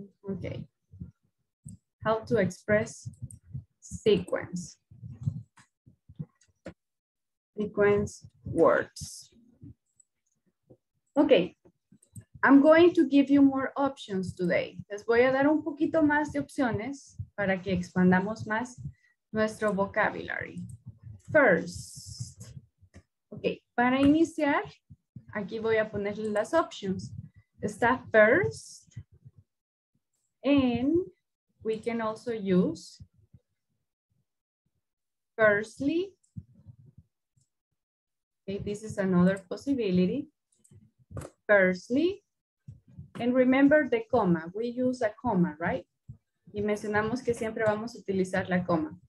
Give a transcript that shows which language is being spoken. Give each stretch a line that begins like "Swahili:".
English: Okay, how to express sequence. Sequence words. Okay. I'm going to give you more options today.
Spanish: Les voy a dar un poquito más de opciones para que expandamos más nuestro vocabulary. First, okay, para iniciar, aquí voy a ponerle las options.
English: Está first, and we can also use firstly. Okay, this is another possibility. Firstly. And remember the comma, we use a comma, right?
Spanish: Y mencionamos que siempre vamos a utilizar la coma.